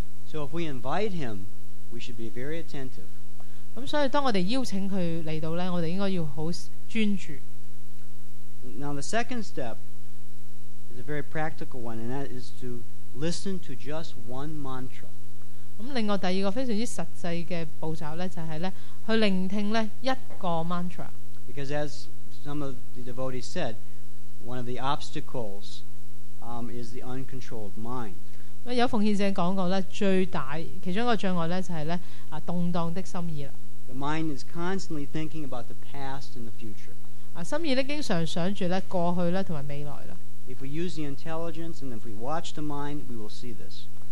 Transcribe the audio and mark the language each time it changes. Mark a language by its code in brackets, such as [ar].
[en] So if we invite him, we should be very attentive. [zh] 所以当我们邀请他来到，我们应该要很专注。 [en] Now the second step is a very practical one, and that is to listen to just one mantra. [zh] 另外第二个非常实际的步骤，就是去聆听一个mantra。 [en] Because as some of the devotees said, one of the obstacles is the uncontrolled mind. [zh] 有奉献者讲过，其中一个障碍就是动荡的心意。 [en] The mind is constantly thinking about the past and the future. [zh] 心意经常想着过去和未来。 [en] If we use the intelligence and if we watch the mind, we will see this.